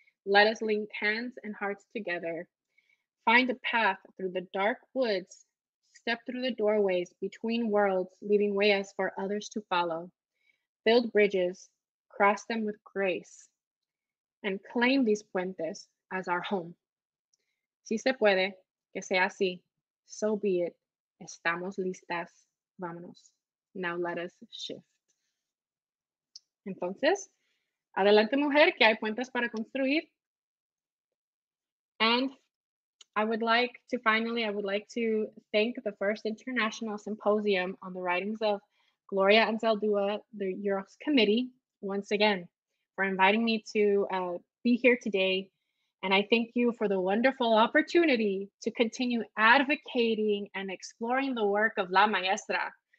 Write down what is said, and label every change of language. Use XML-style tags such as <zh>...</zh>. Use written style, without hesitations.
<en>Let us link hands and hearts together, find a path through the dark woods, step through the doorways between worlds, leaving way as for others to follow, build bridges, cross them with grace, and claim these puentes as our home.</en> <es>Si se puede, que sea así,</es> <en>so be it,</en> <es>estamos listas, vámonos.</es> <en>Now let us shift."</en> <es>Entonces, adelante mujer, que hay puentes para construir.</es> <en>And I would like to thank the first international symposium on the writings of Gloria Anzaldúan, the Euros committee, once again, for inviting me to be here today. And I thank you for the wonderful opportunity to continue advocating and exploring the work of La Maestra.</en>